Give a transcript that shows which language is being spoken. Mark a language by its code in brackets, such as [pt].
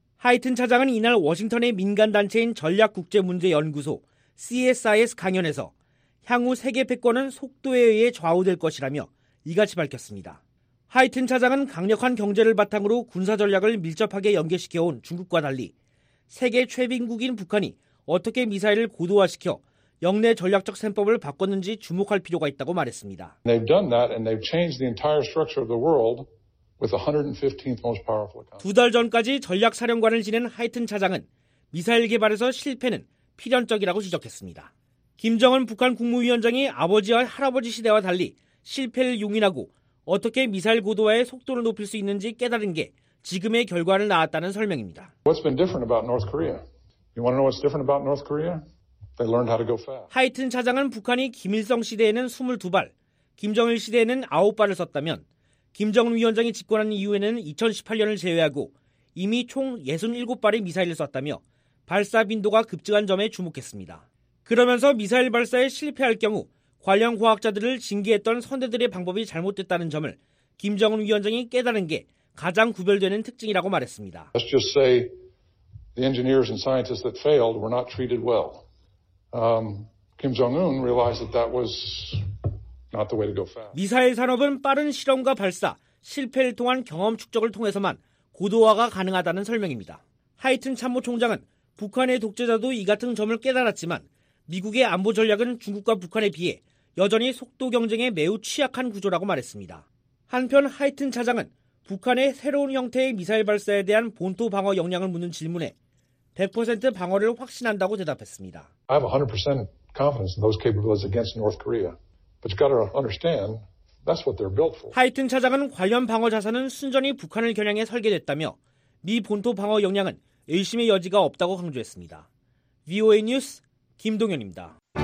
[ko] 하이튼 차장은 이날 워싱턴의 민간단체인 전략국제문제연구소 CSIS 강연에서 향후 세계 패권은 속도에 의해 좌우될 것이라며 이같이 밝혔습니다. 하이튼 차장은 강력한 경제를 바탕으로 군사 전략을 밀접하게 연계시켜온 중국과 달리 세계 최빈국인 북한이 어떻게 미사일을 고도화시켜 역내 전략적 셈법을 바꿨는지 주목할 필요가 있다고 말했습니다. [en] They've done that and they've changed the entire structure of the world with the 115th most powerful economy. [ko] 두 달 전까지 전략 사령관을 지낸 하이튼 차장은 미사일 개발에서 실패는 필연적이라고 지적했습니다. 김정은 북한 국무위원장이 아버지와 할아버지 시대와 달리 실패를 용인하고 어떻게 미사일 고도화의 속도를 높일 수 있는지 깨달은 게 지금의 결과를 낳았다는 설명입니다. [en] What's been different about North Korea? You want to know what's different about North Korea? They learned how to go fast. [ko] 하이튼 차장은 북한이 김일성 시대에는 22발, 김정일 시대에는 9발을 썼다면 김정은 위원장이 집권한 이후에는 2018년을 제외하고 이미 총 67발의 미사일을 썼다며 발사 빈도가 급증한 점에 주목했습니다. 그러면서 미사일 발사에 실패할 경우 관련 과학자들을 징계했던 선대들의 방법이 잘못됐다는 점을 김정은 위원장이 깨달은 게 가장 구별되는 특징이라고 말했습니다. [en] Let's just say the engineers and scientists that failed were not treated well. Kim Jong-un realized that that was not the way to go fast. [ko] 미사일 산업은 빠른 실험과 발사, 실패를 통한 경험 축적을 통해서만 고도화가 가능하다는 설명입니다. 하이튼 참모총장은 북한의 독재자도 이 같은 점을 깨달았지만 미국의 안보 전략은 중국과 북한에 비해 여전히 속도 경쟁에 매우 취약한 구조라고 말했습니다. 한편 하이튼 차장은 북한의 새로운 형태의 미사일 발사에 대한 본토 방어 역량을 묻는 질문에 100% 방어를 확신한다고 대답했습니다. [en] I have 100% confidence in those capabilities against North Korea. But you got to understand that's what they're built for. [ko] 하이튼 차장은 관련 방어 자산은 순전히 북한을 겨냥해 설계됐다며 미 본토 방어 역량은 의심의 여지가 없다고 강조했습니다. VOA 뉴스 김동현입니다.